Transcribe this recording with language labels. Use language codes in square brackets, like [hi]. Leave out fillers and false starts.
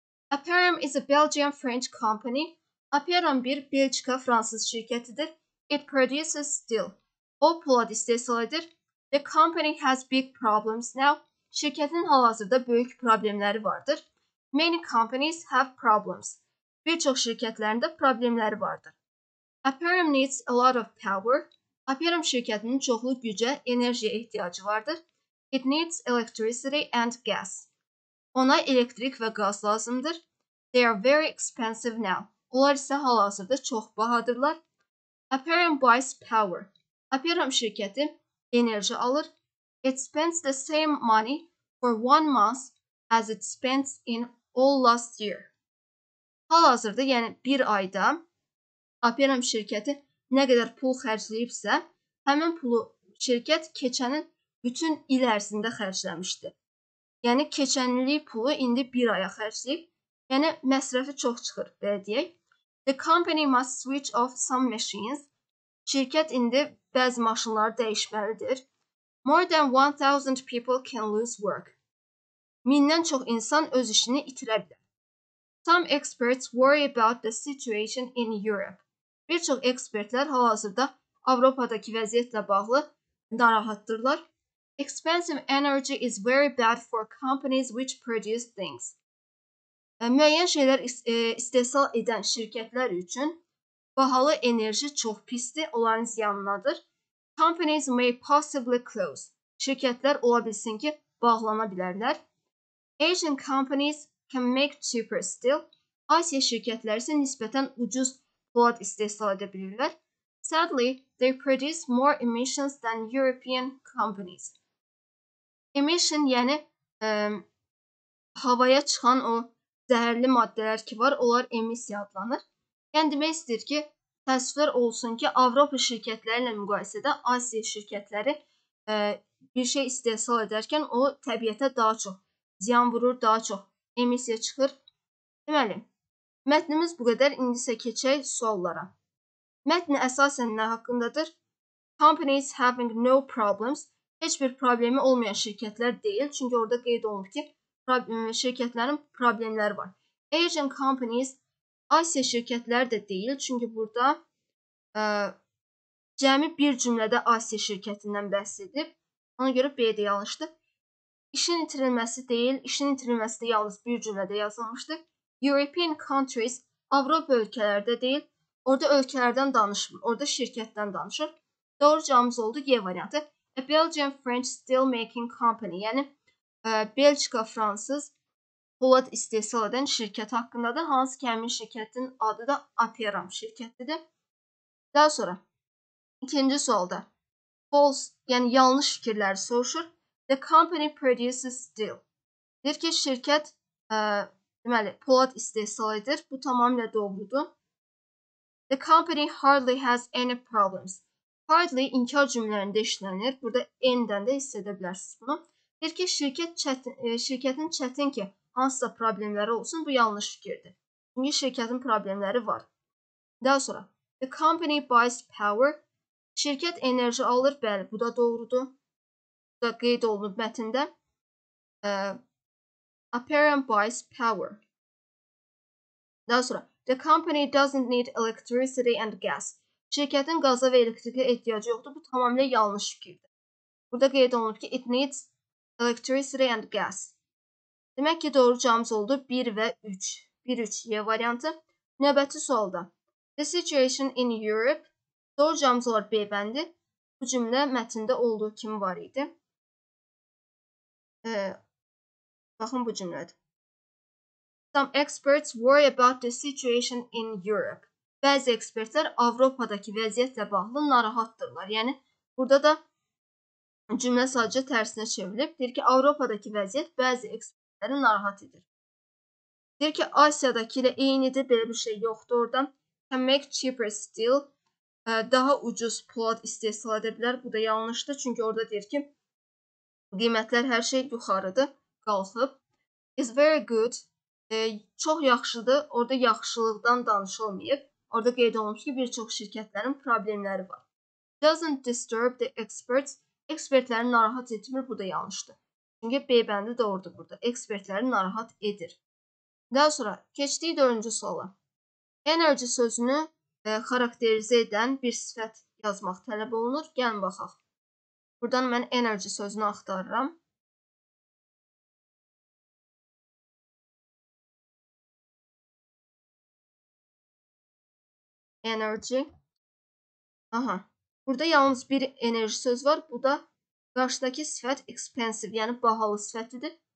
[en] Aperam is a Belgian French company. [az] Aperam bir Belçika Fransız şirkətidir. [en] It produces steel. [az] O polad istehsal edir. [en] The company has big problems now. [az] Şirkətin hal-hazırda böyük problemləri vardır. [en] Many companies have problems. [az] Bir çox şirkətlərində problemləri vardır. [en] Aperam needs a lot of power. [az] Aperam şirkətinin çoxlu gücə, enerjiyə ehtiyacı vardır. [en] It needs electricity and gas. [az] Ona elektrik və qaz lazımdır. [en] They are very expensive now. [az] Onlar isə hal-hazırda çox bahadırlar. [en] Aperam buys power. [az] Aperam şirkəti enerji alır. [en] It spends the same money for one month as it spent in all last year. [az] Hal-hazırda, yəni bir ayda Aperam şirkəti nə qədər pul xərcləyibsə, həmin pulu şirkət keçənin bütün il ərzində xərcləmişdi. Yəni keçənli pulu indi bir aya xərcləyib, yəni məsrəfi çox çıxır, belə deyək. [en] The company must switch off some machines. [az] Şirkət indi bəzi maşınları dəyişməlidir. [en] More than 1,000 people can lose work. [az] Mindən çox insan öz işini itirə bilər. [en] Some experts worry about the situation in Europe. [az] Bir çox ekspertlər hal-hazırda Avropadakı vəziyyətlə bağlı narahatdırlar. [en] Expensive energy is very bad for companies which produce things. [az] Müəyyən şeylər istehsal edən şirkətlər üçün bahalı enerji çox pisdir, onların ziyanındadır. [en] Companies may possibly close. [az] Şirkətlər ola bilsin ki, bağlana bilərlər. [en] Asian companies can make cheaper steel. [az] Asiya şirkətləri isə nisbətən ucuz polad istehsal edə bilirlər. [en] Sadly, they produce more emissions than European companies. [az] Emission, yəni havaya çıxan o zəhərli maddələr ki var, onlar emissiya adlanır. Yəni demək istəyir ki, təəssüflər olsun ki, Avropa şirkətləri ilə müqayisədə Asiya şirkətləri bir şey istehsal edərkən o təbiətə daha çox ziyan vurur, daha çox emissiya çıxır. Deməli, mətnimiz bu qədər, indi isə keçək suallara. Mətn əsasən nə haqqındadır? [en] Companies having no problems. [az] Heç bir problemi olmayan şirkətlər deyil, çünki orada qeyd olunub ki, şirkətlərin problemləri var. [en] Asian companies, [az] Asiya şirkətləri də deyil, çünki burada cəmi bir cümlədə Asiya şirkətindən bəhs edib. Ona görə B-də yanlışdır. İşin itirilməsi deyil, işin itirilməsi də yalnız bir cümlədə yazılmışdır. [en] European countries, [az] Avropa ölkələrdə deyil, orada ölkələrdən danışmır, orada şirkətdən danışır. Doğru cavabımız oldu G variantı. [en] A Belgian French steel making company, [az] yəni Belçika Fransız polad istehsal edən şirkət haqqındadır. Hansı kəmin şirkətin adı da Aperam şirkətidir. Daha sonra, ikinci sualda, false, yəni yanlış fikirləri soruşur. [en] The company produces steel. [az] Deyir ki, şirkət deməli, polad istehsal edir. Bu tamamilə doğrudur. [en] The company hardly has any problems. [az] Hardly inkar cümlələrində işlənir. Burada N-dən də hiss edə bilərsiniz bunu. Deyir ki, şirkətin çətin ki, hansısa problemləri olsun, bu yanlış fikirdir. Çünki şirkətin problemləri var. Daha sonra, [en] the company buys power. [az] Şirkət enerji alır, bəli, bu da doğrudur. Bu da qeyd olunub mətində. [en] Aperam buys power. [az] Daha sonra, [en] the company doesn't need electricity and gas. [az] Şirkətin qaza və elektrikə ehtiyacı yoxdur, bu tamamilə yanlış fikirdir. Burada qeyd olunub ki, [en] it needs electricity and gas. [az] Demək ki, doğru cavabımız oldu 1 və 3. 1-3 Y variantı. Növbəti sualda. [en] The situation in Europe. [az] Doğru cavabımız olar B bəndi. Bu cümlə mətində olduğu kimi var idi. Baxın bu cümlədir. [en] Some experts worry about the situation in Europe. [az] Bəzi ekspertlər Avropadakı vəziyyətlə bağlı narahatdırlar. Yəni, burada da cümlə sadəcə tərsinə çevrilib. Deyir ki, Avropadakı vəziyyət bəzi ekspertlər narahat edir. Deyir ki, Asiyadakı ilə eynidir, belə bir şey yoxdur orada. [en] Can make cheaper steel. [az] Daha ucuz polad istehsal edə bilər. Bu da yanlışdır, çünki orada deyir ki, qiymətlər hər şey yuxarıdır, qalxıb. [en] very good. [az] Çok yaxşıdır. Orada yaxşılıqdan danışılmayıb. Orada qeyd olunmuş ki, bir çox şirkətlərin problemləri var. [en] Doesn't disturb the experts. [az] Ekspertləri narahat etmir. Bu da yanlışdır. Çünki B bəndi doğrudur burada. Ekspertləri narahat edir. Daha sonra keçdiyi 4-cü suala. Energy sözünü xarakterize edən bir sifət yazmaq tələb olunur. Gəlin baxaq. Buradan mən energy sözünü axtarıram. Energy. Aha. Burada yalnız bir enerji söz var. Bu da qarşıdakı sifət expensive, yəni bahalı sifətidir.